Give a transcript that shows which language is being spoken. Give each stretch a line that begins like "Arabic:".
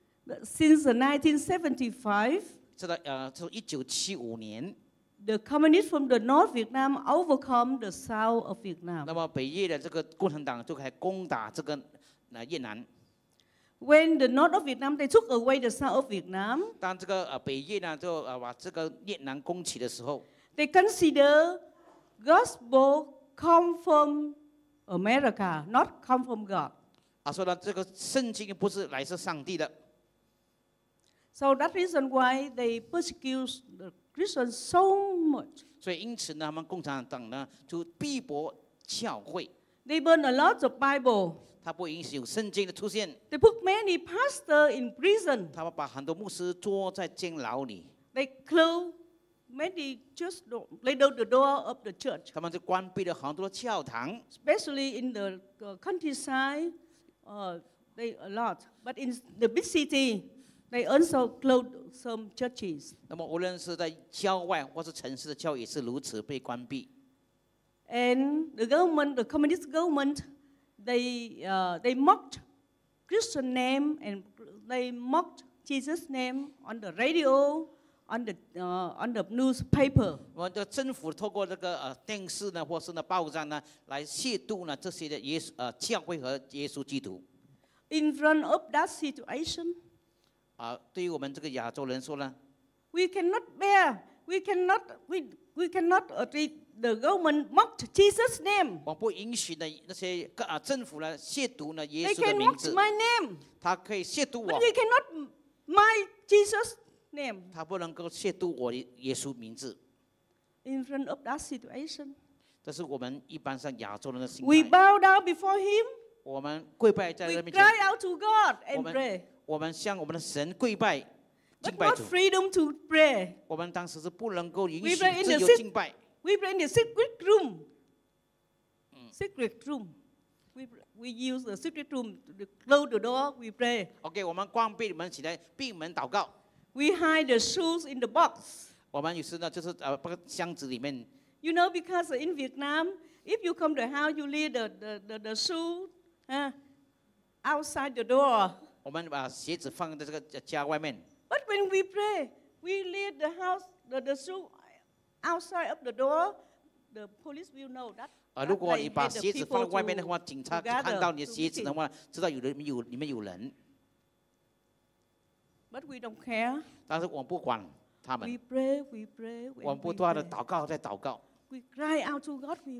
English: Since 1975,
Chinese: 直到1975年
English: ，the communists from the north Vietnam overcome the south of Vietnam.
Chinese: 那么北越的这个共产党就开始攻打这个越南。
English: When the north of Vietnam they took away the south of Vietnam,
Chinese: 当这个北越呢就把这个越南攻起的时候
English: ，they consider gospel come from America, not come from God.
Chinese: 所以呢，这个圣经不是来自上帝的。
English: So that reason why they persecute the Christians so much.
Chinese: 所以因此呢，他们共产党呢就逼迫教会。
English: They burn a lot of Bible.
Chinese: 他不允许有圣经的出现。
English: They put many pastors in prison.
Chinese: 他们把很多牧师捉在监牢里。
English: They close many just laid out the door of the church.
Chinese: 他们就关闭了很多教堂。
English: Especially in the countryside, they a lot. But in the big city, they also closed some churches.
Chinese: 那么无论是在郊外或是城市的教也是如此被关闭。
English: And the government, the communist government, they mocked Christian name and they mocked Jesus name on the radio. On the newspaper.
Chinese: 我们的政府透过这个电视呢，或是呢报章呢，来亵渎呢这些的耶稣教会和耶稣基督。
English: In front of that situation,
Chinese: 对于我们这个亚洲人说呢
English: ，We cannot bear, we cannot treat the government mocked Jesus' name.
Chinese: 我不允许呢那些政府呢亵渎呢耶稣的名字。
English: They can mock my name.
Chinese: 他可以亵渎我。
English: But they cannot my Jesus. Name.
Chinese: 他不能够亵渎我耶稣名字。
English: In front of that situation,
Chinese: 这是我们一般上亚洲人的心态。
English: We bow down before him.
Chinese: 我们跪拜在那边。
English: We cry out to God and pray.
Chinese: 我们向我们的神跪拜，敬拜主。
English: But not freedom to pray.
Chinese: 我们当时是不能够允许自由敬拜。
English: We pray in the secret room. Secret room. We use the secret room to close the door. We pray.
Chinese: Okay, 我们关闭门起来，闭门祷告。
English: We hide the shoes in the box.
Chinese: 我们有时呢，就是箱子里面。
English: You know, because in Vietnam, if you come to the house, you leave the shoe outside the door.
Chinese: 我们把鞋子放在这个家外面。
English: But when we pray, we leave the house the shoe outside of the door. The police will know that.
Chinese: 如果你把鞋子放在外面的话，警察看到你的鞋子的话，知道里面有人。
English: But we don't care.
Chinese: 但是我们不管他们。
English: We pray, we pray.
Chinese: 我们不断的祷告，在祷告。
English: We cry out to God. We.